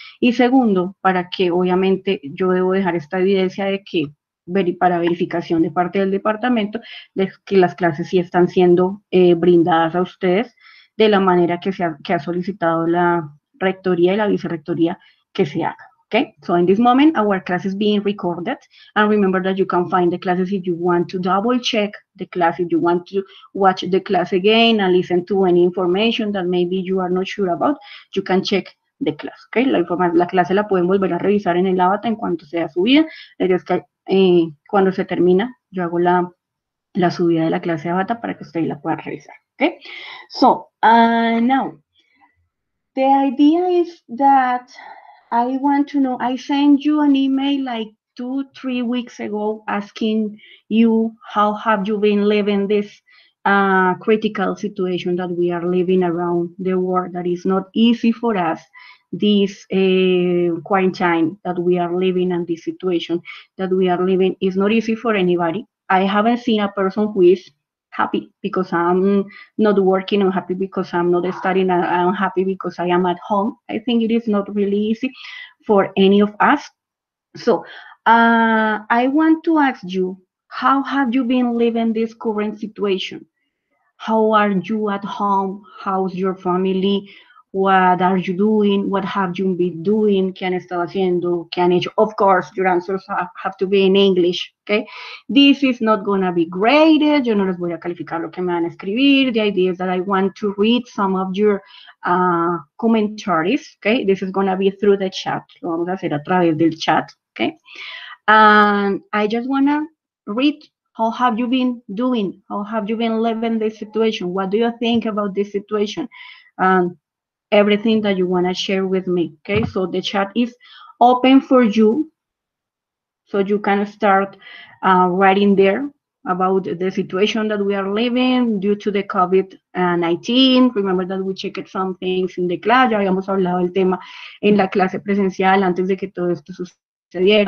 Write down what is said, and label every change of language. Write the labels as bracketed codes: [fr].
[es] Y segundo, para que obviamente yo debo dejar esta evidencia de que para verificación de parte del departamento, de que las clases sí están siendo brindadas a ustedes de la manera que ha solicitado la rectoría y la vicerrectoría que se haga. [en] Okay? So in this moment, our class is being recorded. And remember that you can find the classes if you want to double check the class, if you want to watch the class again and listen to any information that maybe you are not sure about, you can check the class. Okay? [es] La clase la pueden volver a revisar en el avatar en cuanto sea subida. Es que cuando se termina, yo hago la subida de la clase de avatar para que ustedes la puedan revisar. [en] Okay? So now, the idea is that I want to know. I sent you an email like 2, 3 weeks ago asking you how have you been living this critical situation that we are living around the world that is not easy for us, this quarantine that we are living and this situation that we are living is not easy for anybody. I haven't seen a person who is happy because I'm not working. I'm happy because I'm not studying. I'm happy because I am at home. I think it is not really easy for any of us. So I want to ask you, how have you been living this current situation? How are you at home? How's your family? What are you doing? What have you been doing? [es] ¿Qué han estado haciendo? ¿Qué han hecho? [en] Of course, your answers have to be in English, okay? This is not going to be graded. [es] Yo no les voy a calificar lo que me van a escribir. [en] The idea is that I want to read some of your commentaries, okay? This is going to be through the chat. [es] Lo vamos a hacer a través del chat, okay? [en] And I just want to read. How have you been doing? How have you been living this situation? What do you think about this situation? Everything that you want to share with me. Okay, so the chat is open for you. So you can start writing there about the situation that we are living due to the COVID-19. Remember that we checked some things in the class. [es] Ya habíamos hablado del tema en la clase presencial antes de que todo esto sucediera.